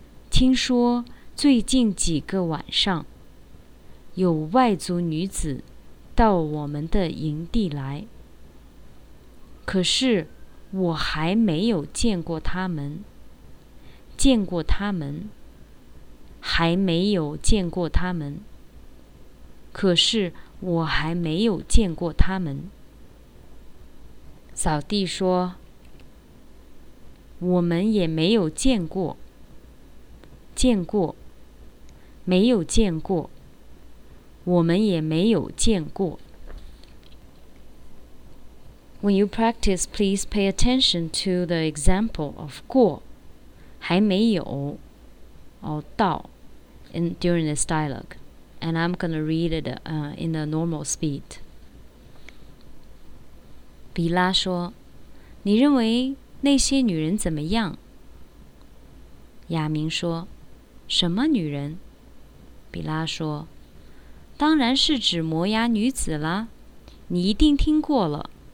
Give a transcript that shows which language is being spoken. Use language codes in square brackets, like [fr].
[zh] 听说最近几个晚上有外族女子到我们的营地来，可是我还没有见过他们，见过他们，还没有见过他们，可是我还没有见过他们。扫地说，我们也没有见过，见过，没有见过，我们也没有见过。 [en] When you practice, please pay attention to the example of 过, 还没有, or 到, during this dialogue. And I'm going to read it in the normal speed. [zh] 比拉说，你认为那些女人怎么样？亚明说，什么女人？比拉说，当然是指摩押女子啦，你一定听过了。